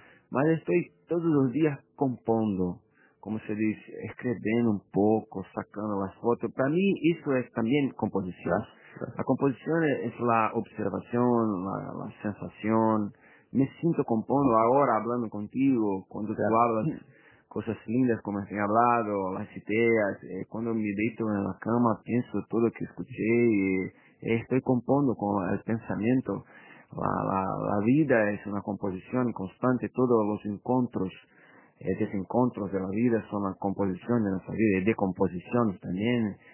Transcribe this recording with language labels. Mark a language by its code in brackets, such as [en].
[es] Más estoy todos los días compondo. [pt] Como se diz, escrevendo um pouco, sacando as fotos. Para mim, isso é também composição. A composição é a observação, a sensação. Me sinto compondo agora, falando contigo, quando tu falas coisas lindas, como tem falado, as ideias. Quando me deito na cama, penso tudo o que escutei. Estou compondo com o pensamento. [es] la vida es una composición constante, todos los encuentros y desencuentros de la vida son la composición de nuestra vida y decomposición también.